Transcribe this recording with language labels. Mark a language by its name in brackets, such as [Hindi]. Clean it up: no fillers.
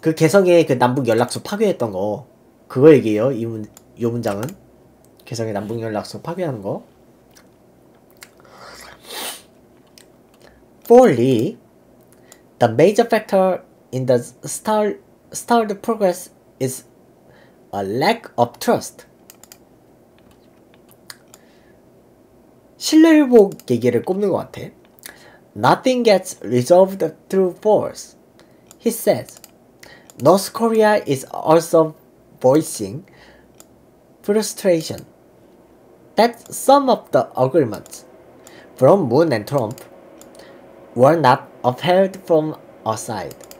[Korean] 그 개성의 그 남북 연락소 파괴했던 거, 그거 얘기예요. 이 문장은 개성의 남북 연락소 파괴하는 거. [English] For Lee, the major factor in the stalled progress is a lack of trust. [Korean] 신뢰회복 얘기를 꼽는 것 같아. [English] Nothing gets resolved through force, he says. North Korea is also voicing frustration that some of the agreements from Moon and Trump were not upheld from our side.